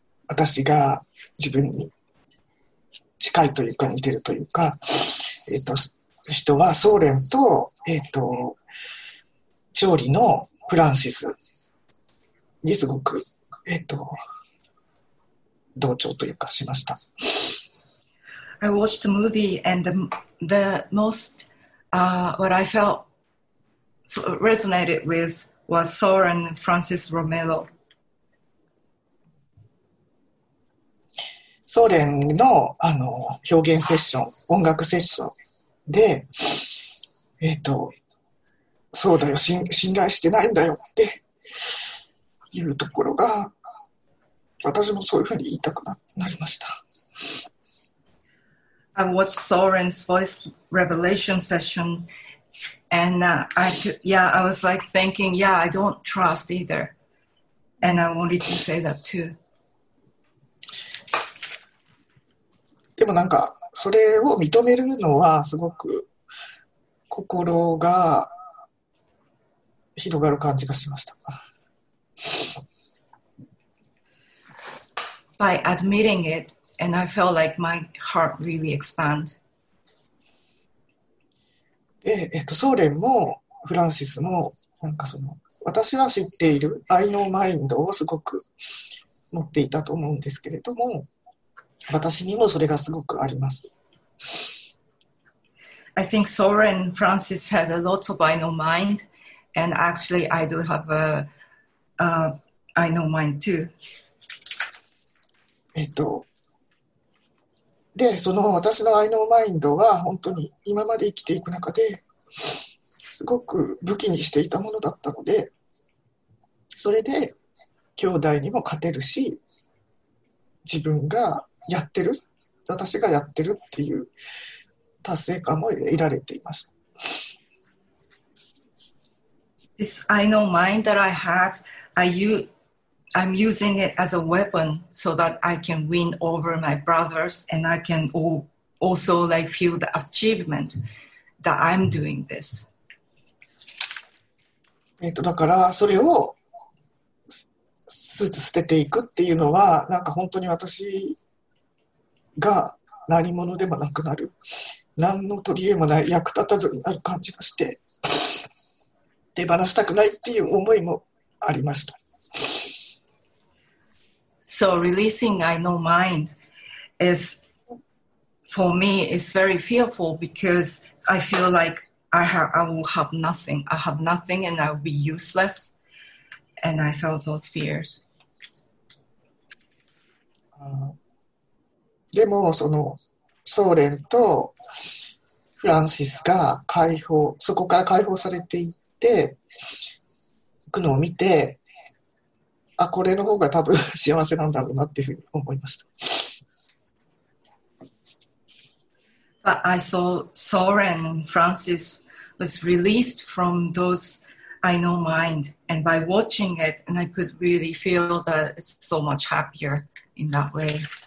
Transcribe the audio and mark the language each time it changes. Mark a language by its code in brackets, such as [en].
[ja] 私が自分に近いというか似てるというか、人はソーレンと、調理のフランシスにすごく、同調というかしました。 [en] I watched the movie and the most, what I felt resonated with was Soren Francis Romero. [ja] ソーレンの、表現セッション、音楽セッションで、そうだよ、信頼してないんだよっていうところが、私もそういうふうに言いたくなりました。 [en] I watched Soren's voice revelation session and I was like thinking, yeah, I don't trust either. And I wanted to say that too. [ja] でもなんかそれを認めるのはすごく心が広がる感じがしました。 [en] By admitting it, and I felt like my heart really expand. [ja] で、ソーレンもフランシスもなんかその私は知っている I know mind をすごく持っていたと思うんですけれども、私にもそれがすごくあります。 [en] I think Soren Francis had a lot of I know mind, and actually I do have a I know mind too. [ja] で、その私の I know mind は本当に今まで生きていく中ですごく武器にしていたものだったので、それで兄弟にも勝てるし、自分がやってる、私がやってるっていう達成感も得られています。 [en] This I know mind that I had, I'm using it as a weapon so that I can win over my brothers and I can also like feel the achievement that I'm doing this. [ja] だからそれを捨てていくっていうのはなんか本当に私が何者でもなくなる、何の取り柄もない役立たずになる感じがして、手放したくないっていう思いもありました。 [en] So releasing I know mind is for me is very fearful because I feel like I will have nothing, I have nothing and I will be useless and I felt those fears. [ja] でもそのソーレンとフランシスが解放、そこから解放されていっていくのを見て、あ、これの方が多分幸せなんだろうなっていうふうに思いました。 [en] But I saw Soren and Francis was released from those I know mind, and by watching it, and I could really feel that it's so much happier in that way.